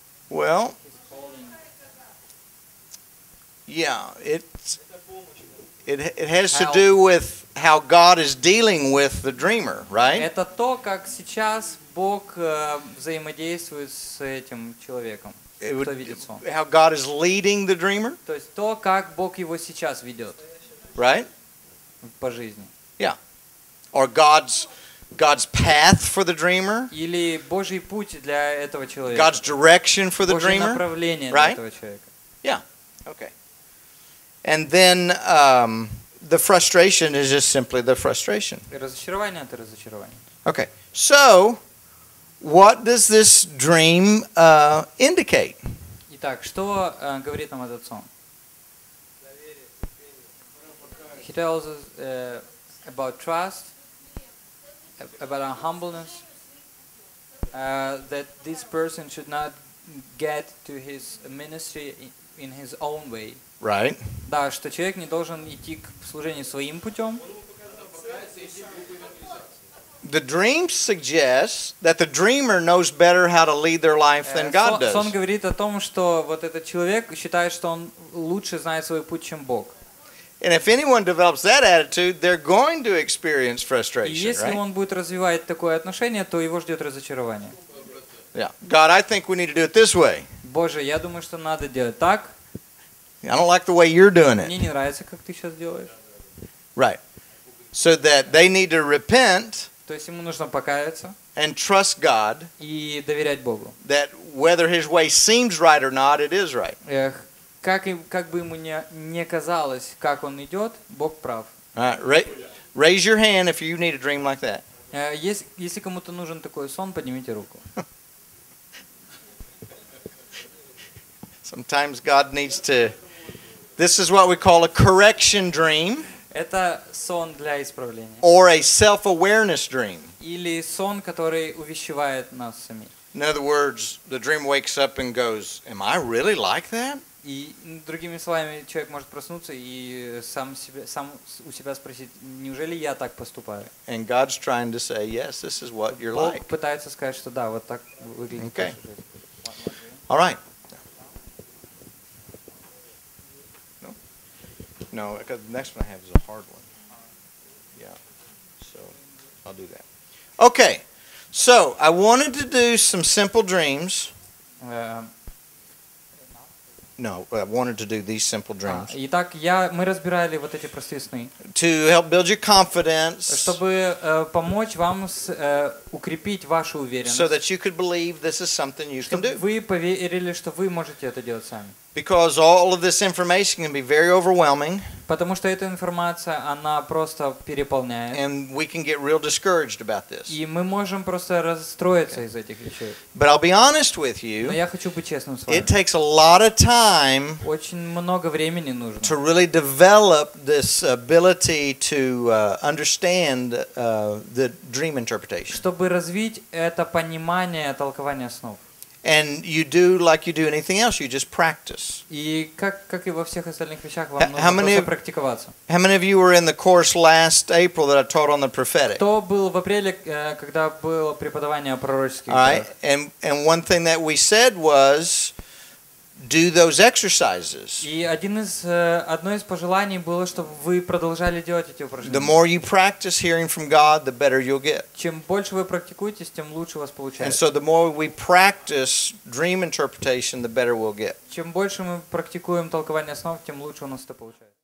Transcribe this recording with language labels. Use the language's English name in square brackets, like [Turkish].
[English] Well, yeah, it has to do with how God is dealing with the dreamer, right? [Russian] Это то, как сейчас Бог взаимодействует с этим человеком, кто видит сон. [English] How God is leading the dreamer? [Russian] То есть то, как Бог его сейчас ведет. [English] Right? [Russian] По жизни. [English] Yeah. Or God's path for the dreamer? [Russian] Или Божий путь для этого человека. [English] God's direction for the dreamer? [Russian] Божье направление для этого человека. [English] Yeah. Okay. And then the frustration is just simply the frustration. [Russian] Разочарование это разочарование. [English] Okay. So what does this dream indicate? [Russian] Итак, что говорит нам этот сон? [English] He tells us about trust, about our humbleness, that this person should not get to his ministry in his own way. Right. [Russian] Да, что человек не должен идти к служению своим путем. [English] The dream suggests that the dreamer knows better how to lead their life than God does. [Russian] Сон говорит о том, что вот этот человек считает, что он лучше знает свой путь, чем Бог. [English] And if anyone develops that attitude, they're going to experience frustration, right? [Russian] Если он будет развивать такое отношение, то его ждет разочарование. [English] Yeah. God, I think we need to do it this way. [Russian] Боже, я думаю, что надо делать так. [English] I don't like the way you're doing it. [Russian] Мне не нравится, как ты сейчас делаешь. [English] Right. So that they need to repent. [Russian] То есть ему нужно покаяться. [English] And trust God. [Russian] И доверять Богу. [English] That whether his way seems right or not, it is right. [Russian] Эх, как бы ему не казалось, как он идет, Бог прав. [English] All right. Raise your hand if you need a dream like that. [Russian] Если кому-то нужен такой сон, поднимите руку. [English] Sometimes God needs to. This is what we call a correction dream. [Russian] Это сон для исправления. [English] Or a self-awareness dream. [Russian] Или сон, который увещевает нас сами. [English] In other words, the dream wakes up and goes, "Am I really like that?" [Russian] И другими словами, человек может проснуться и сам у себя спросить: "Неужели я так поступаю?" [English] And God's trying to say, "Yes, this is what you're like." [Russian] Бог пытается сказать, что да, вот так выглядит. [English] Okay. All right. No, because the next one I have is a hard one. Yeah, so I'll do that. Okay, so I wanted to do some simple dreams. I wanted to do these simple dreams. [Russian] Итак, мы разбирали вот эти простые сны. [English] To help build your confidence. [Russian] Чтобы помочь вам укрепить вашу уверенность. [English] So that you could believe this is something you can do. [Russian] Чтобы вы поверили, что вы можете это делать сами. [English] Because all of this information can be very overwhelming. [Russian] Потому что эта информация, она просто переполняет. [English] And we can get real discouraged about this. [Russian] И мы можем просто расстроиться из этих вещей. [English] But I'll be honest with you. [Russian] Но я хочу быть честным с вами. [English] It takes a lot of time. [Russian] Очень много времени нужно. [English] To really develop this ability to understand the dream interpretation. [Russian] Чтобы развить это понимание толкования снов. [English] And you do like you do anything else. You just practice. [Russian] И как и во всех остальных вещах вам нужно просто практиковаться. [English] How many of you were in the course last April that I taught on the prophetic? [Russian] Кто был в апреле, когда было преподавание о пророческих? [English] And one thing that we said was, do those exercises. [Russian] И одно из пожеланий было, чтобы вы продолжали делать эти упражнения. [English] The more you practice hearing from God, the better you'll get. [Russian] Чем больше вы практикуетесь, тем лучше у вас получается. [English] And so the more we practice dream interpretation, the better we'll get. [Russian] Чем больше мы практикуем толкование снов, тем лучше у нас это получается.